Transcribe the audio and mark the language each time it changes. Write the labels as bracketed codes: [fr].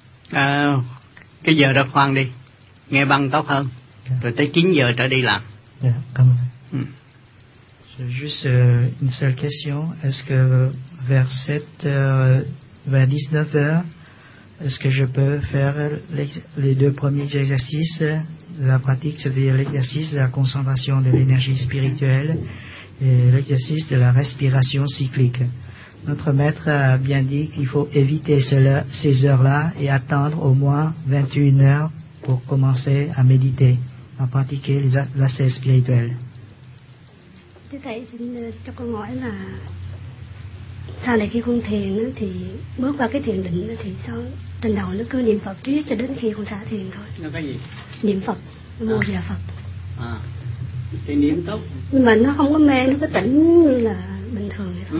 [vi] À, cái giờ đó khoan đi, nghe băng tốt hơn. Dạ. Rồi tới 9 giờ trở đi làm. Dạ, cảm ơn. [fr] Juste une seule question, est-ce que vers 7h, vers 19h, est-ce que je peux faire les deux premiers exercices, la pratique, c'est-à-dire l'exercice de la concentration de l'énergie spirituelle et l'exercice de la respiration cyclique? Notre maître a bien dit qu'il faut éviter ces heures-là et attendre au moins 21h pour commencer à méditer, à pratiquer l'assaise spirituelle. [vi] Thưa thầy, xin cho con hỏi là sau này khi con thiền á, thì bước qua cái thiền định á, thì sau trên đầu nó cứ niệm Phật riết cho đến khi con xả thiền thôi. Nó cái gì? Niệm Phật, Mô Di Đà Phật. À, thì niệm tốt. Nhưng mà nó không có mê, nó có tỉnh như là bình thường vậy thôi.